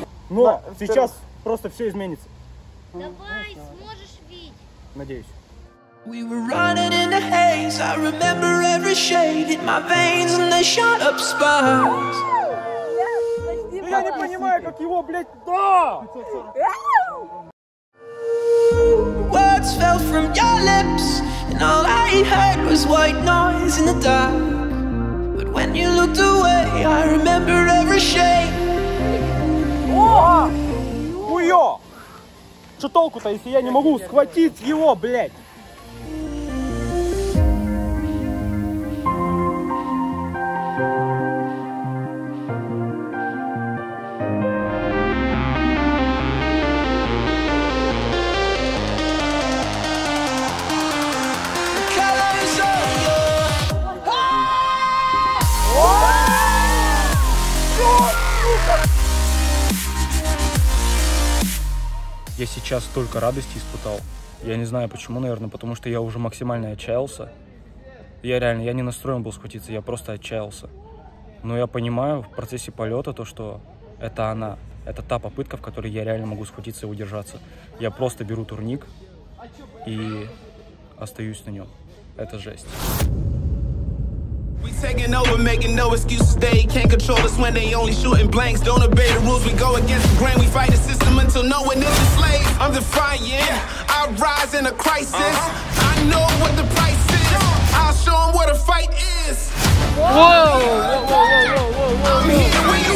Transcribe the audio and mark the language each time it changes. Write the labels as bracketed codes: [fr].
[ru] Но сейчас просто все изменится. Давай, сможешь видеть. Надеюсь. [en] We were running in the haze. I remember every shade in my veins and they shot up sparks. [ru] Я не понимаю, как его, блять, да! [en] Words fell from your lips and all I heard was white noise in the dark. But when you looked away, I remember every shade. [ru] О! Хуё! Что толку-то, если я не могу схватить его, блять? Я сейчас столько радости испытал. Я не знаю почему, наверное, потому что я уже максимально отчаялся. Я не настроен был схватиться, я просто отчаялся. Но я понимаю в процессе полета то, что это она. Это та попытка, в которой я реально могу схватиться и удержаться. Я просто беру турник и остаюсь на нем. Это жесть. [en] We taking over, making no excuses. They can't control us when they only shooting blanks. Don't obey the rules, we go against the grain. We fight the system until no one is a slave. I'm defiant, yeah. I rise in a crisis. Uh-huh. I know what the price is. I'll show them what a fight is. Whoa! Whoa, whoa, whoa, whoa, whoa, whoa, whoa. I'm here.